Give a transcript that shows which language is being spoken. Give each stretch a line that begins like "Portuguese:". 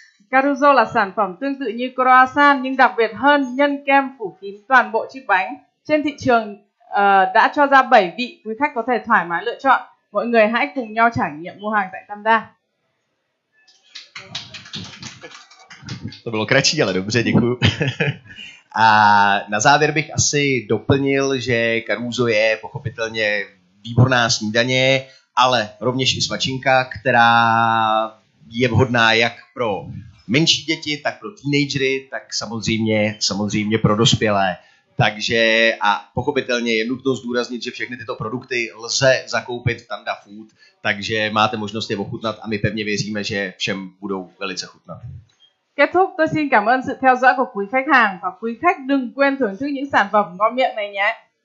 Vietnamese: Caruso là sản phẩm tương tự như croissant, nhưng đặc biệt hơn nhân kem phủ kín toàn bộ chiếc bánh. Trên thị trường đã cho ra 7 vị, quý khách có thể thoải mái lựa chọn. Mọi người hãy cùng nhau trải nghiệm mua hàng tại Tamda.
Czech: To bylo kratší, ale dobře, děkuju. A na závěr bych asi doplnil, že Caruso je pochopitelně výborná snídaně, ale rovněž i svačinka, která je vhodná jak pro menší děti, tak pro teenagery, tak samozřejmě pro dospělé. Takže a pochopitelně je nutno zdůraznit, že všechny tyto produkty lze zakoupit v Tanda Food, takže máte možnost je ochutnat a my pevně věříme, že všem budou velice chutnat.
Vietnamese: Kết thúc, tôi xin cảm ơn sự theo dõi của quý khách hàng và quý khách đừng quên thưởng thức những sản phẩm ngon miệng này nhé.